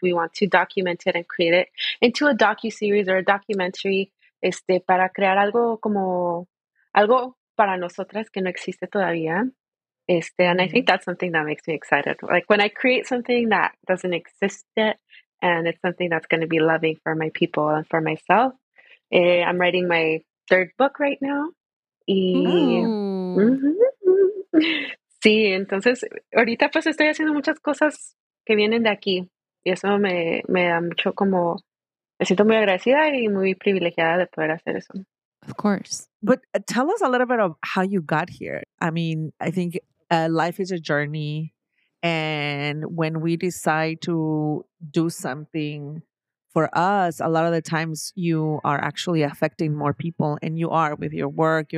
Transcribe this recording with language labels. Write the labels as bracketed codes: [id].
[en] We want to document it and create it into a docu-series or a documentary, [es] para crear algo para nosotras que no existe todavía. [en] And I think that's something that makes me excited. Like when I create something that doesn't exist yet And it's something that's going to be loving for my people and for myself. I'm writing my third book right now. [es] Sí, entonces, ahorita pues estoy haciendo muchas cosas que vienen de aquí. Y eso me da mucho como, me siento muy agradecida y muy privilegiada de poder hacer eso. [en] Of course. But tell us a little bit of how you got here. I mean, I think life is a journey. And when we decide to do something for us, a lot of the times you are actually affecting more people, and you are with your work.